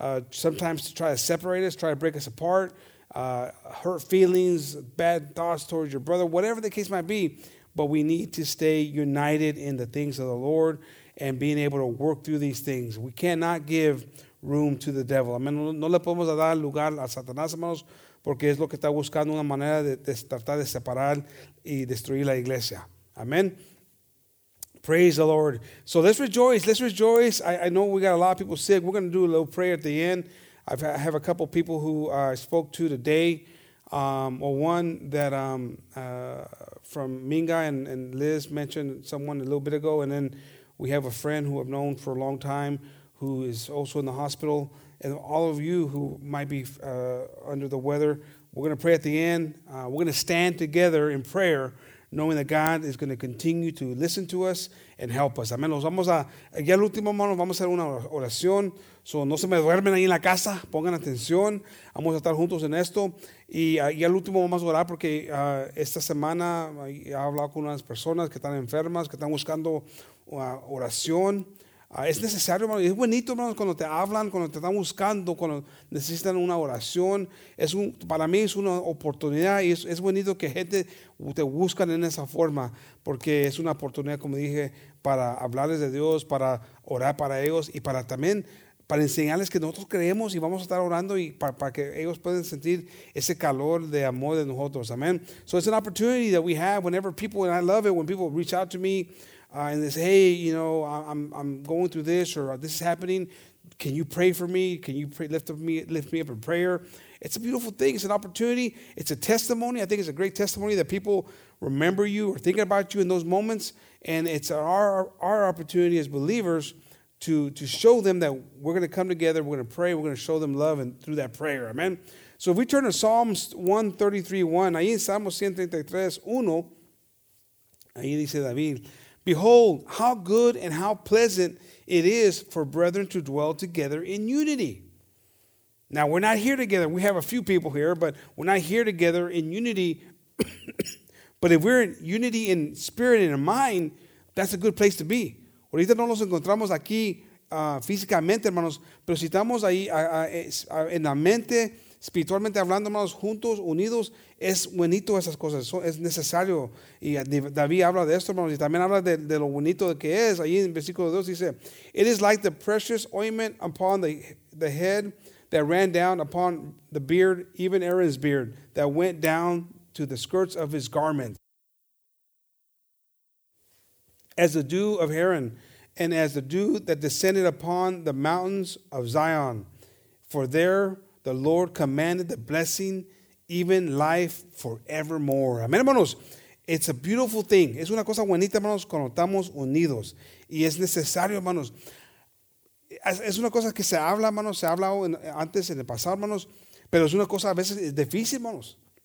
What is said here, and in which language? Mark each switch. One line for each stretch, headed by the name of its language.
English: Sometimes to try to separate us, try to break us apart, hurt feelings, bad thoughts towards your brother, whatever the case might be, but we need to stay united in the things of the Lord and being able to work through these things. We cannot give room to the devil. I mean,
Spanish: no le podemos dar lugar a Satanás, hermanos, porque es lo que está buscando una manera de tratar de separar y destruir la iglesia.
English: Amen. Praise the Lord. So let's rejoice. Let's rejoice. I know we got a lot of people sick. We're going to do a little prayer at the end. I have a couple people who I spoke to today Or one that from Minga and Liz mentioned someone a little bit ago, and then we have a friend who I've known for a long time who is also in the hospital. And all of you who might be under the weather, we're going to pray at the end. We're going to stand together in prayer, knowing that God is going to continue to listen to us and help us. Amén.
Spanish: Vamos a, ya el último hermano, vamos a hacer una oración. So, no se me duermen ahí en la casa. Pongan atención. Vamos a estar juntos en esto. Y ya el último vamos a orar porque esta semana he hablado con unas personas que están enfermas, que están buscando oración. Es necesario, hermano. Es bonito, hermano, cuando te hablan, cuando te están buscando, cuando necesitan una oración. Es un, para mí es una oportunidad y es bonito que gente te buscan en esa forma porque es una oportunidad, como dije, para hablarles de Dios, para orar para ellos y para también para enseñarles que nosotros creemos y vamos a estar orando y para que ellos puedan sentir ese calor de amor de nosotros. Amen.
English: So it's an opportunity that we have whenever people, and I love it when people reach out to me and they say, hey, you know, I'm going through this or this is happening. Can you pray for me? Can you pray, lift me up in prayer? It's a beautiful thing. It's an opportunity. It's a testimony. I think it's a great testimony that people remember you or thinking about you in those moments. And it's our opportunity as believers to show them that we're going to come together, we're going to pray, we're going to show them love and through that prayer. Amen. So if we turn to Psalms 133:1,
Spanish: ahí en Salmos 133:1, ahí dice David,
English: behold, how good and how pleasant it is for brethren to dwell together in unity. Now, we're not here together. We have a few people here, but we're not here together in unity. But if we're in unity in spirit and in mind, that's a good place to be.
Spanish: Ahorita no nos encontramos aquí físicamente, hermanos, pero si estamos ahí en la mente, espiritualmente hablando, hermanos, juntos, unidos, es bonito esas cosas, es necesario. Y David habla de esto, hermanos, y también habla de lo bonito que es. Ahí en versículo 2 dice,
English: it is like the precious ointment upon the head that ran down upon the beard, even Aaron's beard, that went down to the skirts of his garment. As the dew of Haran, and as the dew that descended upon the mountains of Zion. For there the Lord commanded the blessing, even life forevermore.
Spanish: Amén, hermanos.
English: It's a beautiful thing.
Spanish: Es una cosa bonita, hermanos, cuando estamos unidos. Y es necesario, hermanos. Es una cosa que se habla, hermanos. Se ha hablado antes, en el pasado, hermanos. Pero es una cosa, a veces, es difícil, hermanos.